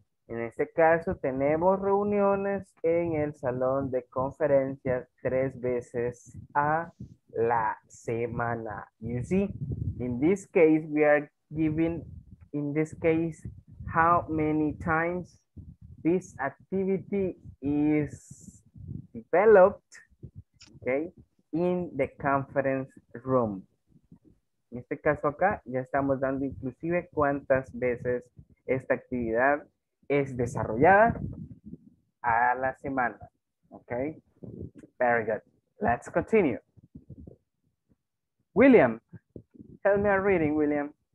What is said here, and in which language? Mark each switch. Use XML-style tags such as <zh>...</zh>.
<es>En este caso, tenemos reuniones en el salón de conferencias 3 veces a la semana.</es> <en>You see? In this case, we are giving, in this case, how many times this activity is developed, okay, in the conference room.</en> <es>En este caso acá, ya estamos dando inclusive cuántas veces esta actividad es desarrollada a la semana, okay?</es> <en>Very good. Let's continue. William, tell me a reading, William.</en>